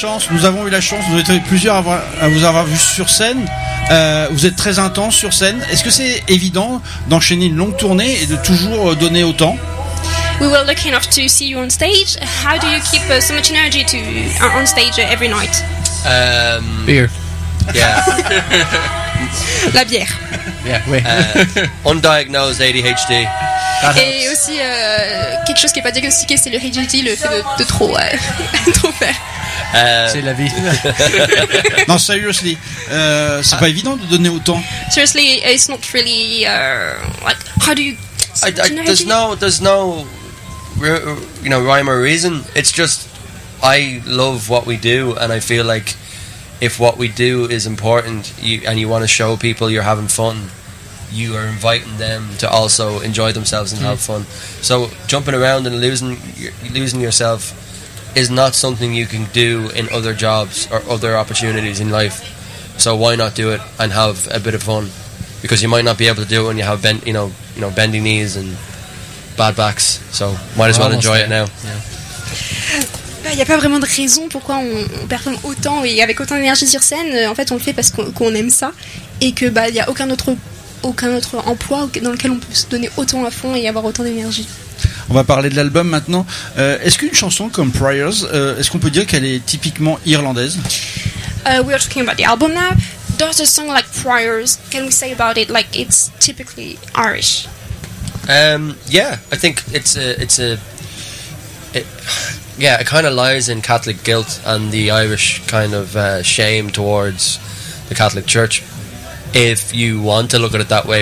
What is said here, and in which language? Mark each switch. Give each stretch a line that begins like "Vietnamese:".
French: Nous avons eu la chance, vous êtes plusieurs à vous avoir vu sur scène. Vous êtes très intense sur scène. Est-ce que c'est évident d'enchaîner une longue tournée et de toujours donner autant?
English: We were lucky enough to see you on stage. How do you keep so much energy to on stage every night? Beer. Yeah.
French: La bière. Yeah, oui.
English: Undiagnosed ADHD. That et helps.
French: Aussi, quelque chose qui n'est pas diagnostiqué, c'est le ADHD, le fait de trop faire. C'est la vie. Non, seriously, c'est pas évident de donner autant.
English: Seriously, it's not really like how do you. There's no rhyme or reason. It's just I love what we do, and I feel like if what we do is important, you want to show people you're having fun, you are inviting them to also enjoy themselves and have fun. So jumping around and losing yourself is not something you can do in other jobs or other opportunities in life. So why not do it and have a bit of fun? Because you might not be able to do it when you have bendy knees and bad backs. So might as well enjoy it now. Yeah.
French: Il n'y a pas vraiment de raison pourquoi on performe autant et avec autant d'énergie sur scène. En fait, on le fait parce qu'on aime ça et que il n'y a aucun autre emploi dans lequel on peut se donner autant à fond et avoir autant d'énergie. On va parler de l'album maintenant. Est-ce qu'une chanson comme Priors, est-ce qu'on peut dire qu'elle est typiquement irlandaise?
English: We are talking about the album now. Does a song like Priors, can we say about it like it's typically Irish? Yeah, I think it's a Yeah, it kind of lies in Catholic guilt and the Irish kind of shame towards the Catholic Church, if you want to look at it that way.